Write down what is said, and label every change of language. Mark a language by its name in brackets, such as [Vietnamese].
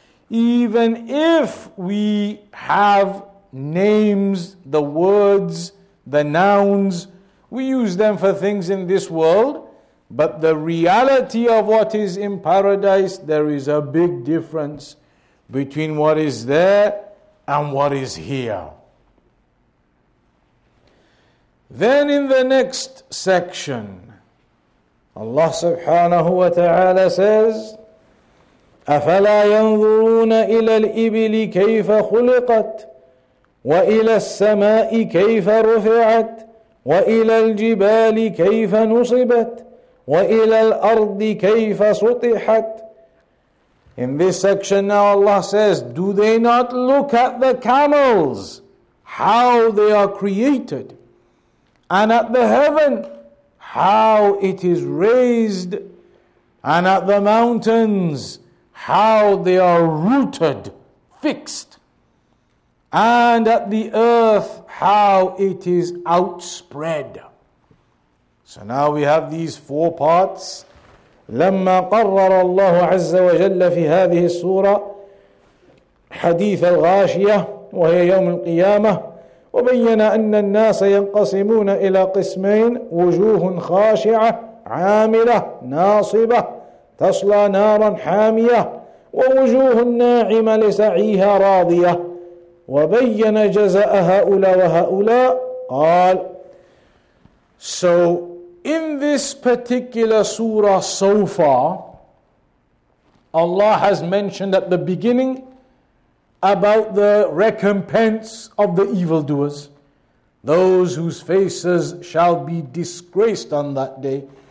[English] Even if we have names, the words, the nouns, we use them for things in this world, but the reality of what is in paradise, there is a big difference between what is there and what is here. Then in the next section, Allah subhanahu wa ta'ala says, [Arabic] أفلا ينظرون إلى الإبل كيف خلقت وإلى السماء كيف رفعت وَإِلَى الْجِبَالِ كَيْفَ نُصِبَتْ وَإِلَى الْأَرْضِ كَيْفَ سُطِحَتْ. [English] In this section now Allah says, do they not look at the camels, how they are created, and at the heaven, how it is raised, and at the mountains, how they are rooted, fixed, and at the earth, how it is outspread. So now we have these four parts. [Arabic] لما قرر الله عز وجل في هذه السورة حديث الغاشية وهي يوم القيامة وبين أن الناس ينقسمون إلى قسمين وجوه خاشعة عاملة ناصبة تصلى نارا حامية ووجوه ناعمة لسعيها راضية وبين جزاء هؤلاء وهؤلاء قال. [English] So in this particular surah so far, Allah has mentioned at the beginning about the recompense of the evildoers, those whose faces shall be disgraced on that day.